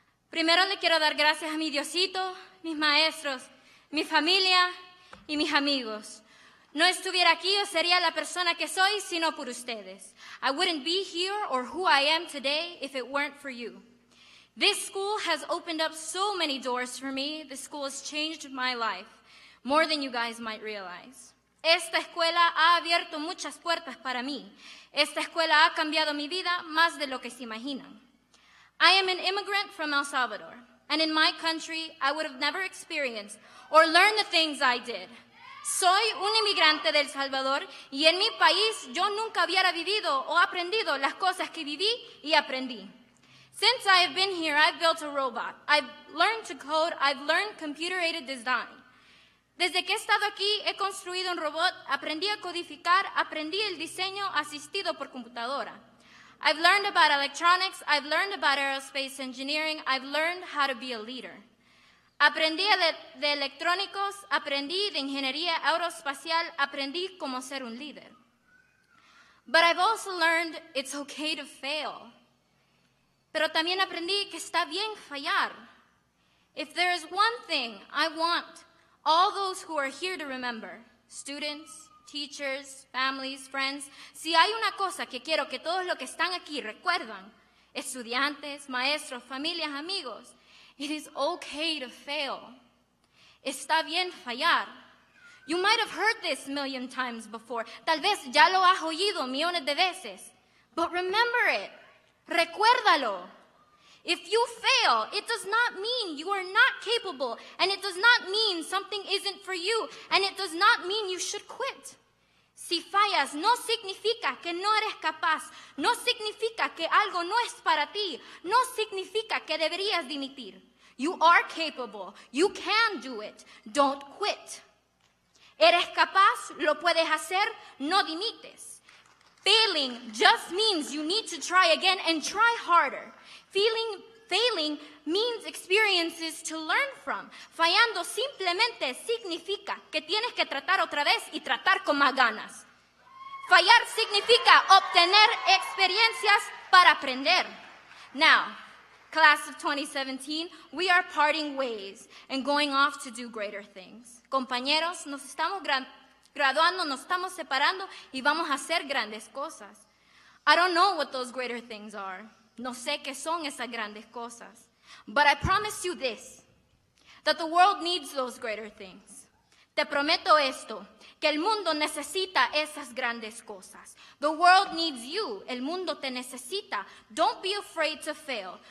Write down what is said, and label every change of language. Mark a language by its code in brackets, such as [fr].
[es] Primero le quiero dar gracias a mi Diosito, mis maestros, mi familia, y mis amigos. No estuviera aquí o sería la persona que soy sino por ustedes. [en] I wouldn't be here or who I am today if it weren't for you. This school has opened up so many doors for me. This school has changed my life, more than you guys might realize. [es] Esta escuela ha abierto muchas puertas para mí. Esta escuela ha cambiado mi vida más de lo que se imaginan. [en] I am an immigrant from El Salvador, and in my country, I would have never experienced or learned the things I did. [es] Soy un inmigrante del Salvador, y en mi país, yo nunca hubiera vivido o aprendido las cosas que viví y aprendí. [en] Since I have been here, I've built a robot. I've learned to code. I've learned computer-aided design. [es] Desde que he estado aquí, he construido un robot, aprendí a codificar, aprendí el diseño asistido por computadora. [en] I've learned about electronics, I've learned about aerospace engineering, I've learned how to be a leader. [es] Aprendí de electrónicos, aprendí de ingeniería aeroespacial, aprendí cómo ser un líder. [en] But I've also learned it's okay to fail. [es] Pero también aprendí que está bien fallar. [en] If there is one thing I want all those who are here to remember, students, teachers, families, friends. [es] Si hay una cosa que quiero que todos los que están aquí recuerdan, estudiantes, maestros, familias, amigos, [en] it is okay to fail. [es] Está bien fallar. [en] You might have heard this a million times before. [es] Tal vez ya lo has oído millones de veces. [en] But remember it. [es] Recuérdalo. [en] If you fail, it does not mean you are not capable, and it does not mean something isn't for you, and it does not mean you should quit. [es] Si fallas, no significa que no eres capaz, no significa que algo no es para ti, no significa que deberías dimitir. [en] You are capable. You can do it. Don't quit. [es] Eres capaz, lo puedes hacer, no dimites. [en] Failing just means you need to try again and try harder. Feeling failing means experiences to learn from. [es] Fallando simplemente significa que tienes que tratar otra vez y tratar con más ganas. Fallar significa obtener experiencias para aprender. [en] Now, class of 2017, we are parting ways and going off to do greater things. [es] Compañeros, nos estamos graduando, nos estamos separando y vamos a hacer grandes cosas. [en] I don't know what those greater things are. [es] No sé qué son esas grandes cosas. [en] But I promise you this, that the world needs those greater things. [es] Te prometo esto, que el mundo necesita esas grandes cosas. [en] The world needs you. [es] El mundo te necesita. [en] Don't be afraid to fail.